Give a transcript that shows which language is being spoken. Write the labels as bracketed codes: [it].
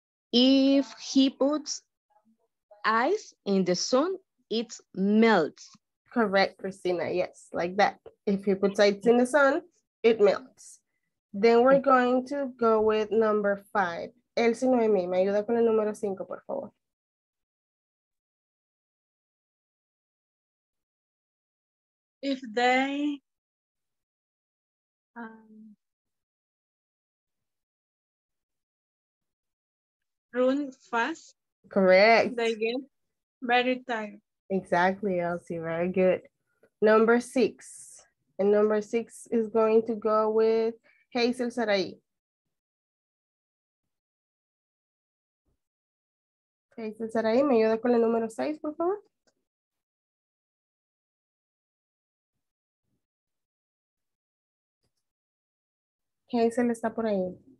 [en] If he puts ice in the sun, it melts. Correct, Cristina, yes, like that. If you put sights in the sun, it melts. Then we're going to go with number 5. [es] Elsie Noemi, me ayuda con el número 5, por favor. [en] If they... run fast. Correct. They get very tired. Exactly, Elsie. Very good. Number 6. And number 6 is going to go with Hazel Sarai. [es] Hazel Sarai, ¿me ayuda con el número 6, por favor? Hazel está por ahí.